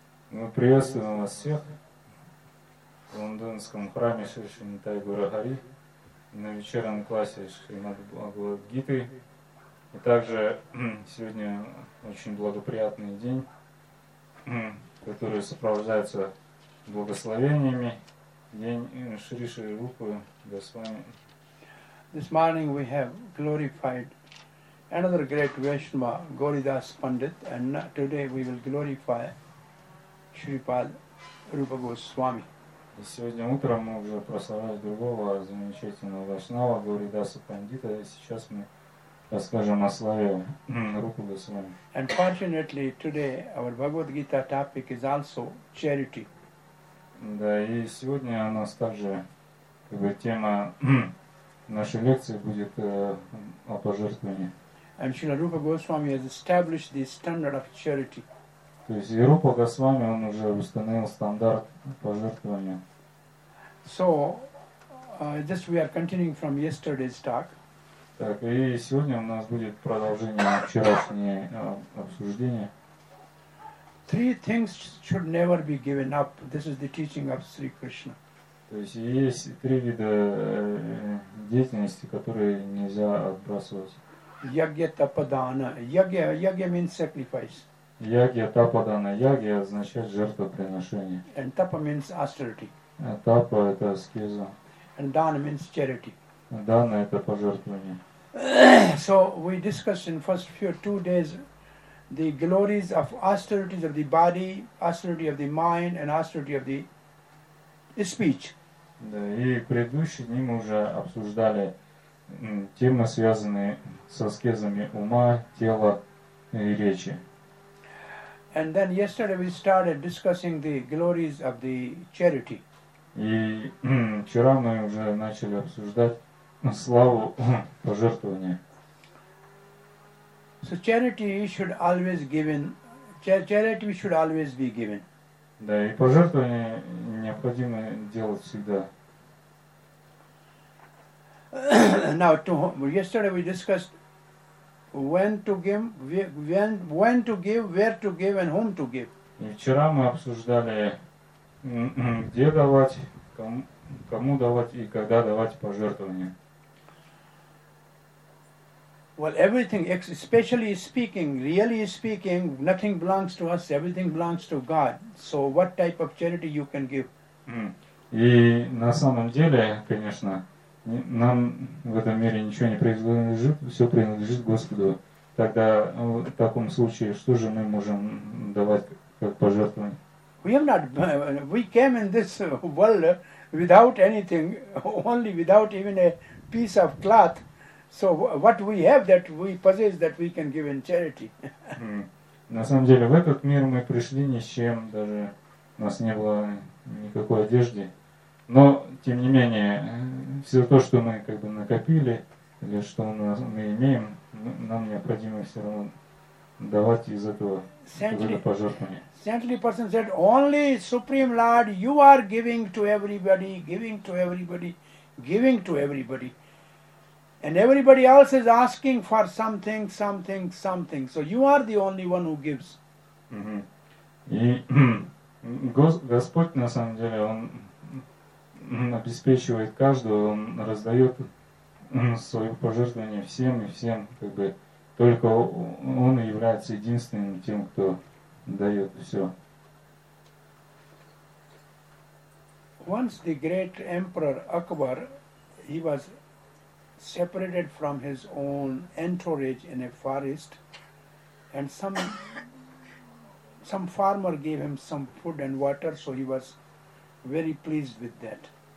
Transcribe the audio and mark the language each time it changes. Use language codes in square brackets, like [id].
[ru] Мы приветствуем вас всех в лондонском храме Шри Нитай Гаурхари на вечернем классе Шримад Бхагавад Гиты. И также сегодня очень благоприятный день, который сопровождается благословениями, день Шри Шри Рупы Госвами. [en] This morning we have glorified another great Vaishnava, Gauridas Pandit, and today we will glorify Shripal Rupa Goswami. [ru] И сегодня утром мы уже прославляли другого замечательного Вашнава, Гауридаса Пандита, и сейчас мы расскажем о славе Рупы Госвами. [en] Unfortunately, today our Bhagavad Gita topic is also charity. [ru] Да, и сегодня у нас также как бы тема нашей лекции будет о пожертвовании. [en] And Srila Rupa Goswami has established the standard of charity. [ru] То есть и Рупа Госвами он уже установил стандарт пожертвования. [en] So, just we are continuing from yesterday's talk. [ru] Так, и сегодня у нас будет продолжение вчерашнего обсуждения. [en] Three things should never be given up. This is the teaching of Sri Krishna. [ru] То есть есть три вида деятельности, которые нельзя отбрасывать. [en] Ягья тападана. Ягья means sacrifice. [sa] Ягья тападана. [ru] Ягья означает жертвоприношение. [en] And tapa means austerity. [ru] Тапа – это аскеза. [en] And dana means charity. [ru] Дана – это пожертвование. [en] So we discussed in first few two days the glories of austerities of the body, austerity of the mind, and austerity of the speech. [ru] Да, и в предыдущие дни мы уже обсуждали темы, связанные с аскезами ума, тела и речи. [en] And then yesterday we started discussing the glories of the charity. [ru] И вчера мы уже начали обсуждать славу пожертвования. [en] So charity should always given. Charity should always be given. [ru] Да, и пожертвование необходимо делать всегда. [en] Now, yesterday we discussed when to give, where to give, and whom to give. [ru] И вчера мы обсуждали, где давать, кому давать и когда давать пожертвование. [en] Well, everything, especially speaking, really speaking, nothing belongs to us, everything belongs to God. So what type of charity you can give? [ru] И на самом деле, конечно, нам в этом мире ничего не принадлежит, все принадлежит Господу. Тогда, в таком случае, что же мы можем давать как пожертвование? [en] We came in this world without anything, only without even a piece of cloth. So what we have that we possess that we can give in charity. [ru] На самом деле в этот мир мы пришли ни с чем, даже у нас не было никакой одежды. Но тем не менее все то, что мы как бы накопили или что у нас мы имеем, нам необходимо все равно давать из этого какое-то пожертвование. [en] Saintly person said, only Supreme Lord, you are giving to everybody, giving to everybody, giving to everybody. And everybody else is asking for something, something, something. So you are the only one who gives. [ru] И Господь, на самом деле, Он обеспечивает каждого, Он раздает свое пожертвование всем и всем, как бы, только Он является единственным тем, кто дает все. [en] Once the great emperor Akbar, he was separated from his own entourage in a forest, and some farmer gave him some food and water, so he was very pleased with that.